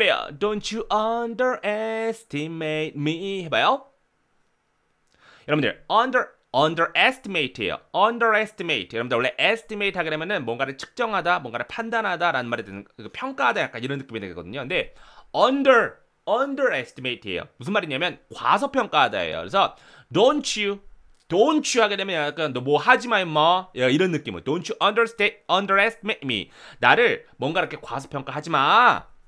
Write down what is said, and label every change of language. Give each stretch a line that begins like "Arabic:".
English: Don't you underestimate me.
Korean: 해봐요. 여러분들, underestimate예요. underestimate. 여러분들 원래 estimate 하게 되면은 뭔가를 측정하다, 뭔가를 판단하다라는 말이 되는 평가하다 약간 이런 느낌이 되거든요. 근데 underestimate예요. 무슨 말이냐면 과소평가하다예요. 그래서
English: don't you
Korean: 하게 되면 약간 너 뭐 하지 마 임마. 야 이런 느낌으로
English: don't you underestimate me.
Korean: 나를 뭔가 이렇게 과소평가하지 마.